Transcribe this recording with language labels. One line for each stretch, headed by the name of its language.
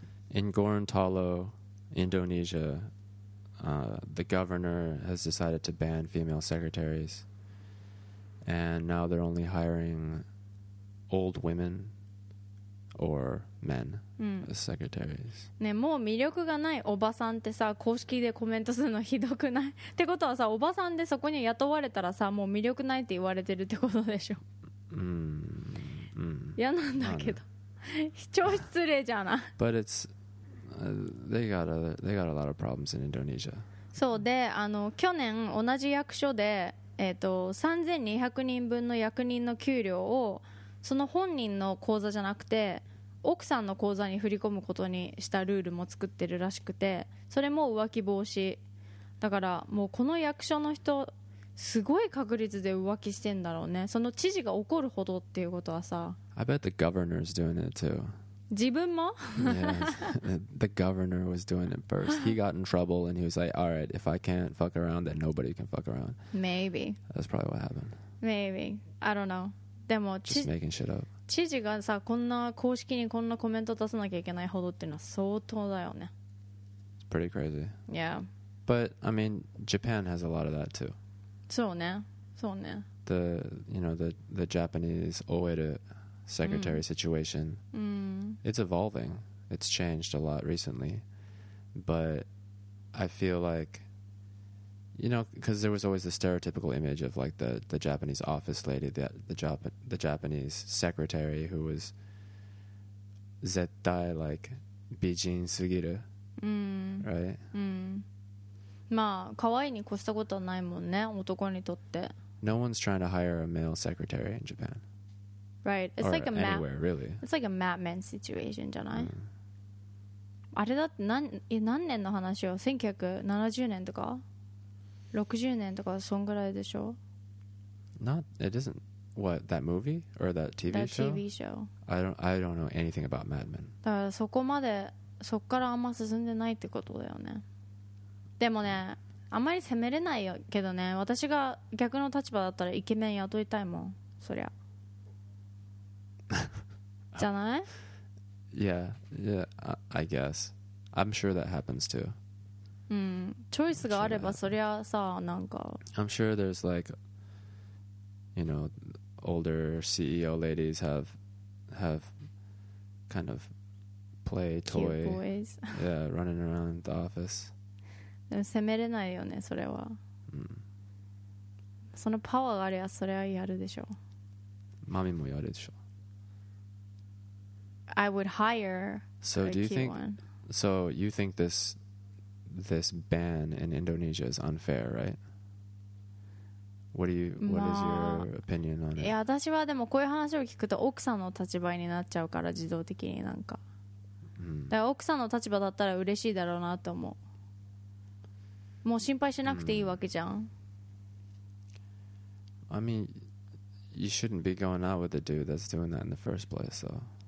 English: In Gorontalo, Indonesia, the governor has decided to ban female secretaries, and now they're only hiring old women or men as secretaries.
Japanese: ね、もう魅力がないおばさんってさ、公式でコメントするのひどくない？ってことはさ、おばさんでそこに雇われたらさ、もう魅力ないって言われてるってことでしょ？嫌なんだけど。超失礼じゃない？
English: But it's, they got a lot of problems in Indonesia.
Japanese: そうで、あの、去年同じ役所で、3200人分の役人の給料をその本人の口座じゃなくて奥さんの口座に振り込むことにしたルールも作ってるらしくて、それも浮気防止だから、もうこの役所の人すごい確率で浮気してんだろうね。その知事が怒るほどっていうことはさ、
English: I bet the governor's doing it too.
Japanese: 自分も？
English: The governor was doing it first. He got in trouble and he was like, alright, if I can't fuck around then nobody can fuck around. Maybe. That's probably what happened. Maybe. I don't know. でも Just making shit up.
Japanese: 知事がさ、こんな公式にこんなコメント出さなきゃいけないほどっていうのは相当だよね。
English: It's pretty crazy. Yeah. But, I mean, Japan has a lot of that too.
Japanese: そうね。そうね。
English: The, you know, the Japanese Oeda secretary situation. It's evolving. It's changed a lot recently. But I feel like, you know, because there was always the stereotypical image of like the Japanese office lady, the Japanese secretary who was
Japanese: zettai
English: like
Japanese: bijin sugiru,
English: right?
Japanese: まあ可愛いに越したことはないもんね、男にとって。
English: No one's trying to hire a male secretary in Japan. Right. It's or like a anywhere, really. It's like a Mad Men situation,
Japanese: じゃない？あれだって何年の話よ？1970年とか60年とかそんぐらいでしょ
English: ？Not. It isn't. What that movie or that TV that show? That TV show. I don't know anything about Mad Men.
Japanese: だからそこまでそっからあんま進んでないってことだよね。でもね、あんまり責めれないよけどね、私が逆の立場だったらイケメン雇いたいもん、そりゃ。じゃない
English: Yeah, I guess. I'm sure that happens too.
Japanese: チョイスがあれば、そりゃさ、なんか。
English: I'm sure there's like, you know, older CEO ladies have kind of play toy. Cute boys. Yeah, running around the office.
Japanese: でも攻めれないよねそれは、そのパワーがありゃそれはやるでしょう。マミもやるでしょう。
English: I would hire so a do you cute one so you think this ban in Indonesia is unfair right? What is your opinion on it?
Japanese: いや私はでもこういう話を聞くと奥さんの立場になっちゃうから自動的になんか、だから奥さんの立場だったら嬉しいだろうなと思う。もう心配しなくていいわけじゃん。
English: I mean, you shouldn't be going out with the dude that's doing that in the first place, though.